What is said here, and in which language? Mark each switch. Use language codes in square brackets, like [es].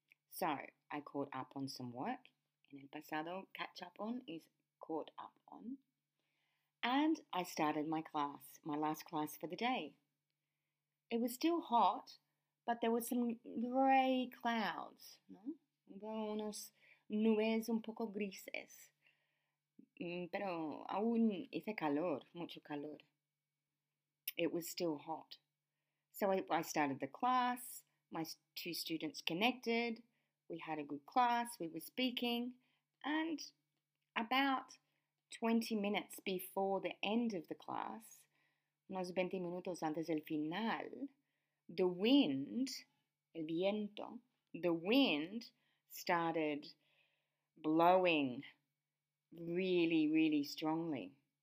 [en] So, I caught up on some work. [es] En el pasado, [en] catch up on is caught up on. And I started my class, my last class for the day. It was still hot, but there were some grey clouds, ¿no? [es] Hubo unos nubes un poco grises, pero aún hice calor, mucho calor. [en] It was still hot. So I started the class, my two students connected, we had a good class, we were speaking, and about 20 minutes before the end of the class, [es] unos 20 minutos antes del final, [en] the wind, [es] el viento, [en] the wind started blowing really, really strongly.